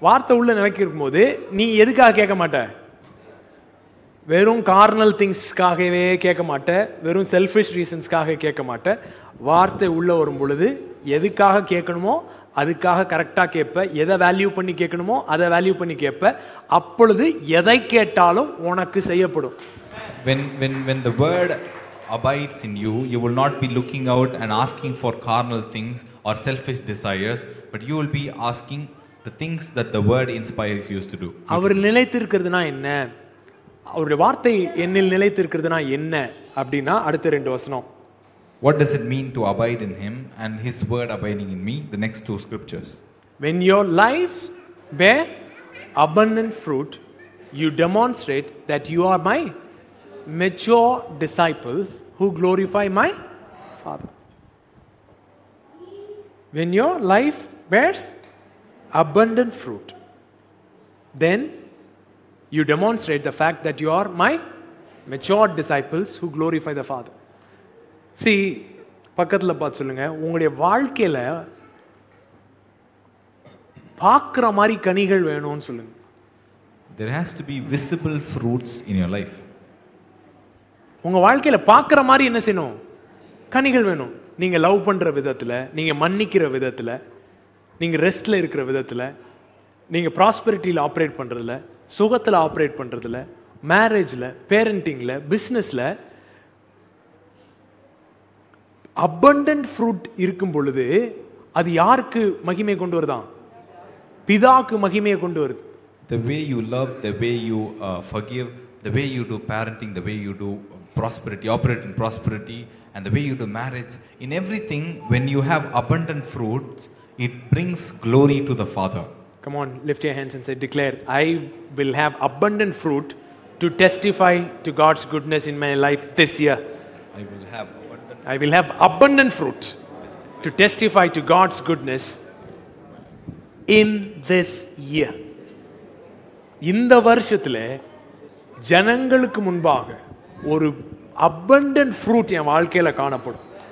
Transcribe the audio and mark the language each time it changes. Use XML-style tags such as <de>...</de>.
<ta>வார்த்தை உள்ள நிலைக்கிருக்கும் போது நீ எதுக்காக கேட்க மாட்டே? வெறும் கார்னல் திங்ஸ்க்காகவே கேட்க மாட்டே, வெறும் செல்ஃபிஷ் ரீசன்ஸ்க்காக கேட்க மாட்டே. வார்த்தை உள்ள வரும் பொழுது எதுக்காக கேட்கணுமோ அதுக்காக கரெக்டாக கேட்ப, எதை வேல்யூ பண்ணி கேட்கணுமோ அதை வேல்யூ பண்ணி கேட்ப, அப்பொழுது எதை கேட்டாலும் உனக்கு செய்யப்படும்.</ta> <en>When the word abides in you, you will not be looking out and asking for carnal things or selfish desires, but you will be asking the things that the word inspires you to do.</en> <ta>அவர் நிலைத்திருக்கிறதுனா என்ன, அவருடைய வார்த்தை என்னில் நிலைத்திருக்கிறதுனா என்ன அப்படின்னா, அடுத்த ரெண்டு வசனம்.</ta> <en>What does it mean to abide in him and his word abiding in me? The next two scriptures. When your life bear abundant fruit, you demonstrate that you are my mature disciples who glorify my Father. When your life bears abundant fruit, then you demonstrate the fact that you are my mature disciples who glorify the Father.</en> <ta>See, பக்கத்தில் பார்த்து சொல்லுங்க, உங்களுடைய வாழ்க்கையில் பார்க்குற மாதிரி கனிகள் வேணும்னு சொல்லுங்க.</ta> <en>There has to be visible fruits in your life.</en> <ta>உங்கள் வாழ்க்கையில் பார்க்குற மாதிரி என்ன செய்யணும்? கனிகள் வேணும். நீங்கள் லவ் பண்ணுற விதத்தில், நீங்கள் மன்னிக்கிற விதத்தில், நீங்கள் ரெஸ்டில் இருக்கிற விதத்தில், நீங்கள் ப்ராஸ்பெரிட்டியில் ஆப்ரேட் பண்ணுறதில், சுகத்தில் ஆப்ரேட் பண்ணுறதில், மேரேஜில், பேரண்டிங்கில், பிஸ்னஸில் அபண்டன்ட் ஃப்ரூட் இருக்கும் பொழுது அது யாருக்கு மகிமையை கொண்டு வருதான்? பிதாவுக்கு மகிமையை கொண்டு வருது.</ta> <en>The way you love, the way you forgive, the way you do parenting, the way you do prosperity, operate in prosperity, and the way you do marriage, in everything, when you have abundant fruits, it brings glory to the Father. Come on, lift your hands and say, declare, I will have abundant fruit to testify to God's goodness in my life this year. I will have abundant fruit to testify to God's goodness in this year.</en> <ta>இந்த வருஷத்தில் ஜனங்களுக்கு முன்பாக ஒரு abundant fruit என் வாழ்க்கையில் காணப்படும்.</ta>